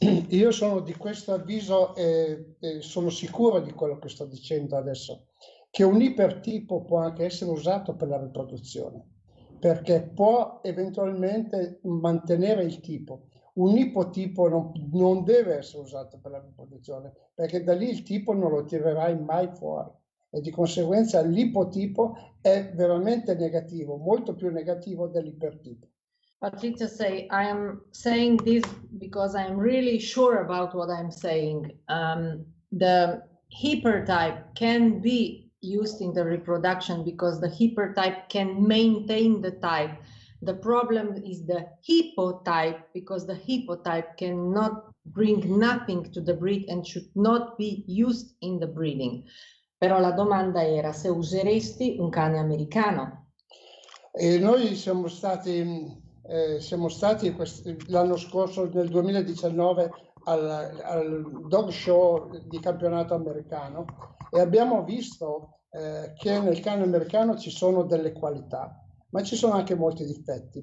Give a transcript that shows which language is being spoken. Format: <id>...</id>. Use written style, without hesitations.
<it>Io sono di questo avviso e sono sicuro di quello che sto dicendo adesso, che un ipertipo può anche essere usato per la riproduzione, perché può eventualmente mantenere il tipo. Un ipotipo non deve essere usato per la riproduzione, perché da lì il tipo non lo tirerai mai fuori. E di conseguenza l'ipotipo è veramente negativo, molto più negativo dell'ipertipo.</it> <en>Patrizio, say, I am saying this because I am really sure about what I'm saying. The hypertype can be used in the reproduction because the hypertype can maintain the type. The problem is the hypotype, because the hypotype cannot bring nothing to the breed and should not be used in the breeding.</en> <it>Però la domanda era se useresti un cane americano. E noi siamo stati... siamo stati l'anno scorso, nel 2019, al dog show di campionato americano, e abbiamo visto che nel cane americano ci sono delle qualità, ma ci sono anche molti difetti.</it>